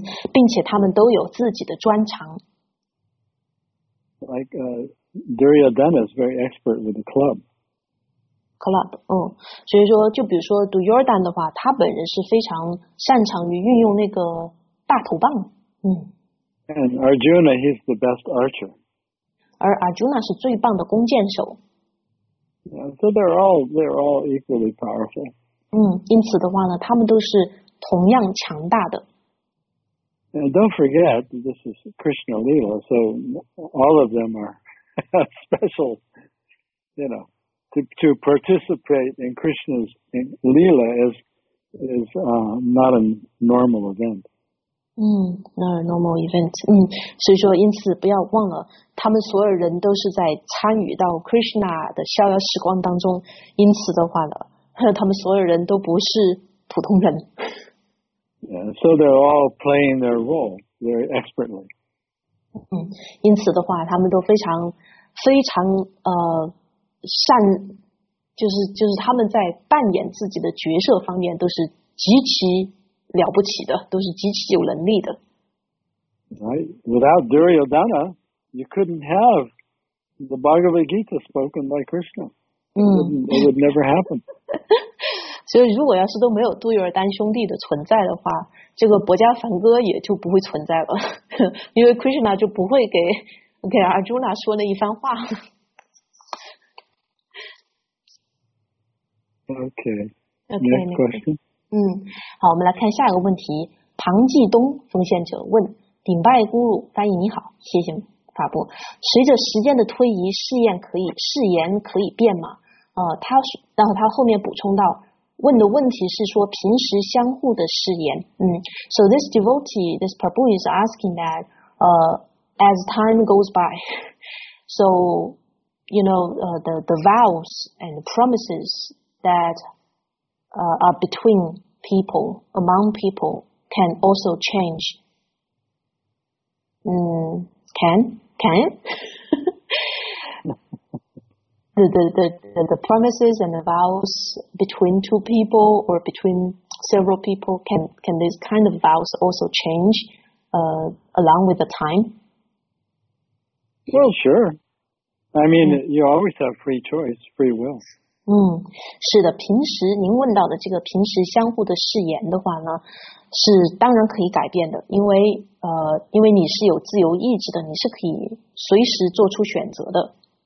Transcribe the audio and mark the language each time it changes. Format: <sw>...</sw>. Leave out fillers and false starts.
<zh>并且他们都有自己的专长。</zh> <en>Like Duryodhana is very expert with the club.</en> <zh>Club, 所以说，就比如说 Duryodhana 的话，他本人是非常擅长于运用那个大头棒。</zh> <en>And Arjuna, he's the best archer.</en> <zh>而 Arjuna 是最棒的弓箭手。</zh> <en>So they're all equally powerful.</en> <zh>因此的话呢，他们都是同样强大的。</zh> <en>And don't forget, this is Krishna Lila, so all of them are special, you know, to participate in Krishna's in Lila is not a normal event. Not a normal event.</en> <zh>所以说因此不要忘了他们所有人都是在参与到 Krishna 的逍遥时光当中，因此的话呢，他们所有人都不是普通人。</zh> <en>Yeah, so they're all playing their role very expertly.</en> <zh>因此的话他们都非常非常善，就是他们在扮演自己的角色方面都是极其了不起的，都是极其有能力的。</zh> <en>Right. Without Duryodhana, you couldn't have the Bhagavad Gita spoken by Krishna. It would never happen.</en> <zh>所以如果要是都没有杜尤尔丹兄弟的存在的话，这个薄伽梵歌也就不会存在了，因为 Krishna 就不会给 Arjuna 说那一番话。</zh> <en>Okay, next question.</en> <zh>好，我们来看下一个问题。庞继东奉献者问：顶拜咕噜翻译你好，谢谢法布。随着时间的推移，誓言可以变吗？然后他后面补充到，问的问题是说平时相互的誓言。</zh> <en>So this devotee, this Prabhu is asking that, as time goes by, so you know, the vows and the promises. That are between people, among people, can also change. Can the promises and the vows between two people or between several people can these kind of vows also change along with the time? Well, sure. I mean, you always have free choice, free will.</en> <zh>是的，平时您问到的这个平时相互的誓言的话呢，是当然可以改变的，因为你是有自由意志的，你是可以随时做出选择的。</zh>